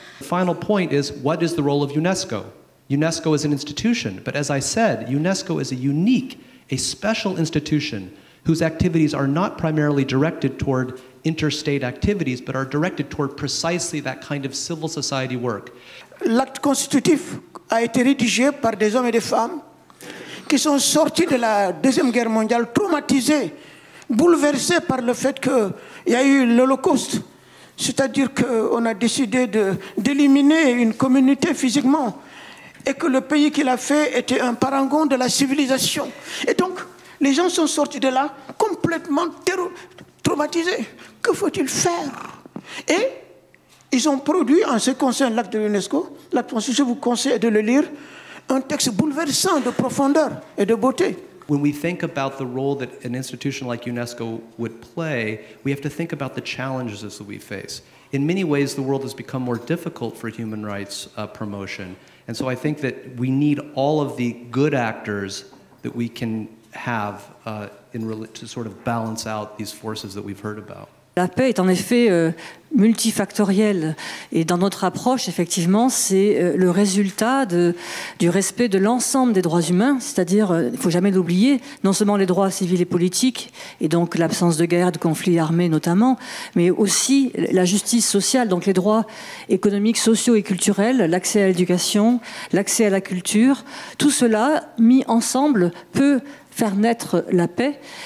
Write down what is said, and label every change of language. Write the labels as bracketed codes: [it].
[en] The final point is, what is the role of UNESCO? UNESCO is an institution, but as I said, UNESCO is a unique, a special institution whose activities are not primarily directed toward interstate activities, but are directed toward precisely that kind of civil society work. [fr] L'acte constitutif a été rédigé par des hommes et des femmes qui sont sortis de la Deuxième Guerre mondiale traumatisés, bouleversés par le fait qu'il y a eu l'Holocauste, c'est-à-dire qu'on a décidé d'éliminer une communauté physiquement et que le pays qui l'a fait était un parangon de la civilisation. Et donc, les gens sont sortis de là complètement traumatisés. Que faut-il faire? Et ils ont produit, en ce qui concerne l'acte de l'UNESCO, la Constitution, je vous conseille de le lire, un texte bouleversant de profondeur et de beauté. [en] When we think about the role that an institution like UNESCO would play, we have to think about the challenges that we face. In many ways, the world has become more difficult for human rights promotion. And so I think that we need all of the good actors that we can have to sort of balance out these forces that we've heard about. [fr] La paix est en effet multifactorielle, et dans notre approche, effectivement, c'est le résultat du respect de l'ensemble des droits humains, c'est-à-dire, il ne faut jamais l'oublier, non seulement les droits civils et politiques, et donc l'absence de guerre, de conflits armés notamment, mais aussi la justice sociale, donc les droits économiques, sociaux et culturels, l'accès à l'éducation, l'accès à la culture, tout cela mis ensemble peut faire naître la paix.